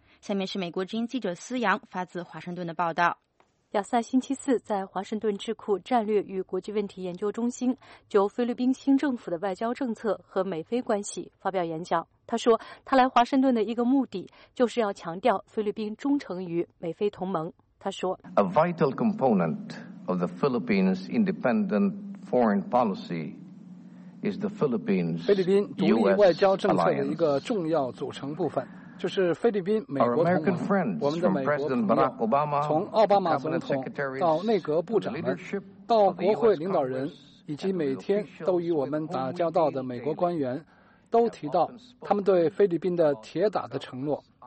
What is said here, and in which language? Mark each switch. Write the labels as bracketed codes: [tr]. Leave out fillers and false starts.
[zh] 下面是美国之音记者思阳发自华盛顿的报道。亚塞星期四在华盛顿智库战略与国际问题研究中心就菲律宾新政府的外交政策和美菲关系发表演讲。他说，他来华盛顿的一个目的就是要强调菲律宾忠诚于美菲同盟。他说 [en] ，A vital component of the Philippines' independent foreign policy is the Philippines' U.S. alliance. [zh] 菲律宾独立外交政策的一个重要组成部分。就是菲律宾美国同盟，我们的美国朋友，从奥巴马总统到内阁部长们，到国会领导人，以及每天都与我们打交道的美国官员，都提到他们对菲律宾的铁打的承诺。